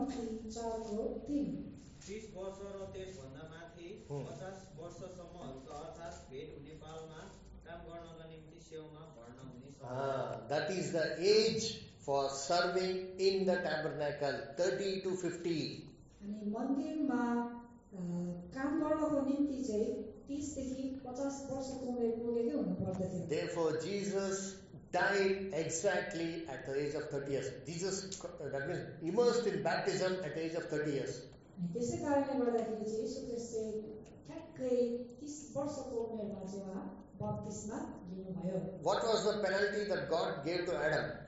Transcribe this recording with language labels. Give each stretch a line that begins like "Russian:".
Nepali: तीस वर्ष र त्यस भन्दा माथि 50 वर्षसम्म अर्थात भेट हुने पालमा काम गर्नका निम्ति सेवामा भर्ना हुने छ।
English: That is the age for serving in the tabernacle, 30 to 50.
Nepali: अनि मन्दिरमा काम गर्नको निम्ति चाहिँ 30 देखि 50 वर्षको उमेर पुगेकै हुनु पर्दथ्यो।
English: Therefore, Jesus died exactly at the age of 30 years. Jesus, that means, immersed in baptism at the age of 30 years. What was the penalty that God gave to Adam?